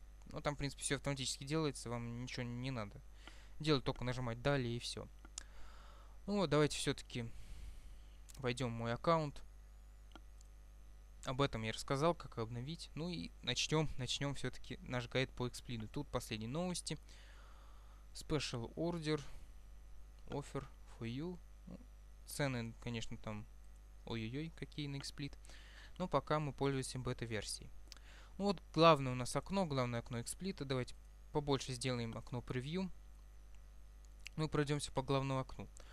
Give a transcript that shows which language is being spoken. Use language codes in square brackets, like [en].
[ru] Ну, там, в принципе, все автоматически делается, вам ничего не надо делать, только нажимать далее и все. Ну вот, давайте все-таки войдем в мой аккаунт. Об этом я рассказал, как обновить. Ну и начнем все-таки наш гайд по XSplit. Тут последние новости. [en] Special order, offer for you. [ru] Ну, цены, конечно, там ой-ой-ой, какие на XSplit. Но пока мы пользуемся бета-версией. Ну вот, главное у нас окно, главное окно XSplit. Давайте побольше сделаем окно превью. Ну и пройдемся по главному окну.